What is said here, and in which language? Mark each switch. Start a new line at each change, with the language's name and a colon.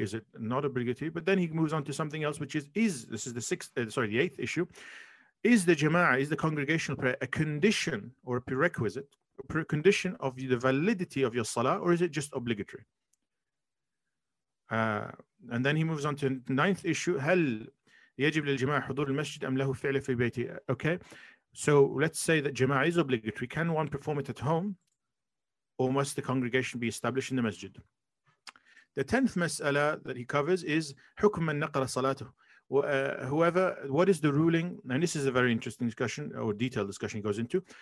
English: Is it not obligatory? But then he moves on to something else, which is the eighth issue. Is the jama'ah, is the congregational prayer a condition or a prerequisite, a precondition of the validity of your salah, or is it just obligatory? And then he moves on to the ninth issue.
Arabic: هل يجب للجماعه حضور المسجد ام له فعل في بيتي?
English: Okay, so let's say that jama'ah is obligatory. Can one perform it at home? Or must the congregation be established in the masjid? The 10th mas'ala that he covers is
Arabic: حكم من نقل صلاته.
English: Whoever, what is the ruling? And this is a very interesting discussion or detailed discussion he goes into.